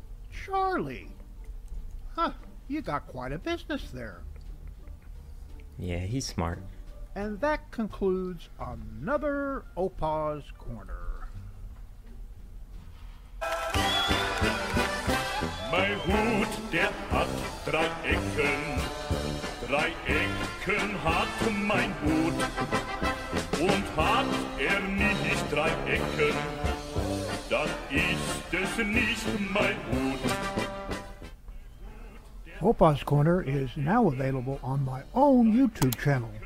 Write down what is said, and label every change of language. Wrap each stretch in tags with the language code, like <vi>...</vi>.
<en>Charlie. Huh, you got quite a business there. Yeah, he's smart. And that concludes another Opa's Corner.</en> <de>Mein Hut, der hat drei Ecken. Drei Ecken hat mein Hut. Und hat nicht drei Ecken, dann ist es nicht mein Hut.</de> <en>Opa's Corner is now available on my own YouTube channel.</en>